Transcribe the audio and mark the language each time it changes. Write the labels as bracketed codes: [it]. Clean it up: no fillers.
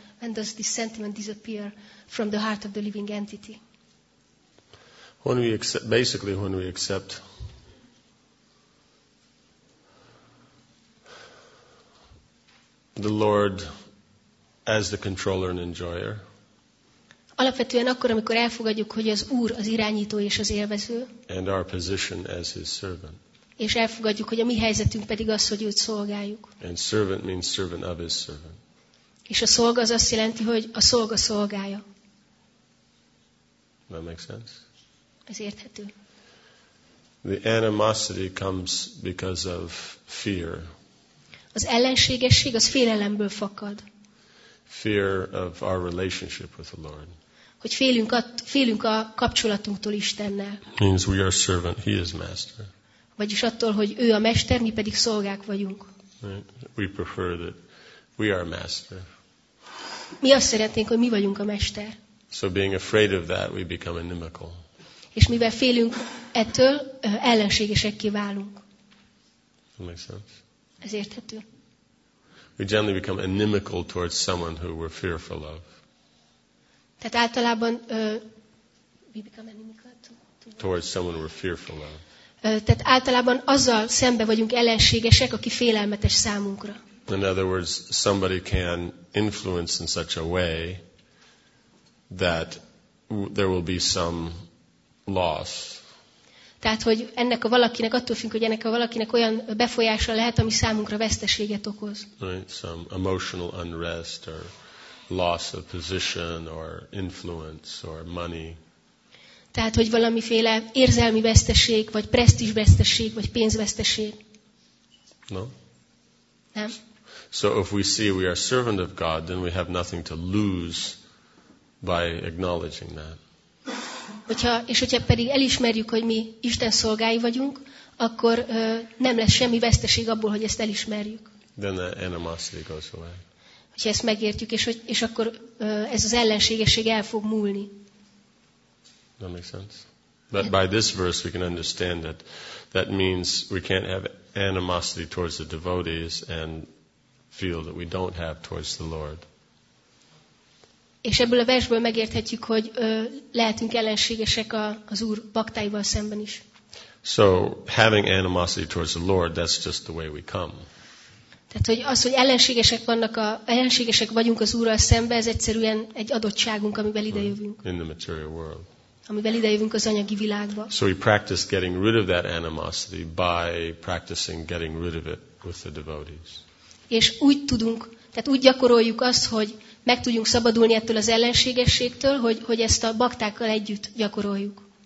[en] And does this sentiment disappear from the heart of the living entity? When we accept, basically, when we accept the Lord as the controller and enjoyer. [hu] Alapvetően akkor, amikor elfogadjuk, hogy az Úr az irányító és az élvező. [en] And our position as His servant. [hu] És elfogadjuk, hogy a mi helyzetünk pedig az, hogy őt szolgáljuk. [en] And servant means servant of His servant. [hu] És a szolga az azt jelenti, hogy a szolga szolgálja. [en] That makes sense? [hu] Ez érthető. [en] The animosity comes because of fear. [hu] Az ellenségesség az félelemből fakad. [en] Fear of our relationship with the Lord. [hu] Hogy félünk a kapcsolatunktól Istennel. [en] Means we are servant, he is master. [hu] Vagyis attól, hogy ő a mester, mi pedig szolgák vagyunk. [en] Right? We prefer that we are master. [hu] Mi azt szeretnénk, hogy mi vagyunk a mester. [en] So being afraid of that, we become inimical. [hu] És mivel félünk ettől, ellenségesekké válunk. [en] That makes sense. [hu] Ez érthető. [en] We generally become inimical towards someone who we're fearful of. [hu] Tehát általában [en] we become inimical towards someone we're fearful of. [hu] Tehát általában azzal szembe vagyunk ellenségesek, aki félelmetes számunkra. [en] In other words, somebody can influence in such a way that there will be some loss. [hu] Tehát, hogy ennek a valakinek, attól függ, hogy ennek a valakinek olyan befolyása lehet, ami számunkra veszteséget okoz. [en] Right, some emotional unrest or loss of position or influence or money. [hu] Tehát, hogy valamiféle érzelmi veszteség, vagy presztízsveszteség, vagy pénzveszteség. [en] No? [hu] Nem. [en] So if we see we are servant of God, then we have nothing to lose by acknowledging that. [hu] És hogyha pedig elismerjük, hogy mi Isten szolgái vagyunk, akkor nem lesz semmi veszteség abból, hogy ezt elismerjük. [en] Then the animosity goes away. [hu] Hogyha ezt megértjük, és akkor ez az ellenségesség el fog múlni. [en] That makes sense. But by this verse we can understand that that means we can't have animosity towards the devotees and feel that we don't have towards the Lord. [hu] És ebből a versből megérthetjük, hogy lehetünk ellenségesek az Úr baktáival szemben is. [en] So having animosity towards the Lord, that's just the way we come. [hu] Tehát hogy az, hogy ellenségesek vannak a ellenségesek vagyunk az Úrral szemben, ez egyszerűen egy adottságunk, amivel idejövünk. [en] In the material world. [hu] Amivel idejövünk az anyagi világba. [en] So we practice getting rid of that animosity by practicing getting rid of it with the devotees. [hu] És úgy tudunk, tehát úgy gyakoroljuk azt, hogy meg tudjunk szabadulni ettől az ellenségességtől, hogy ezt a baktákkal együtt gyakoroljuk.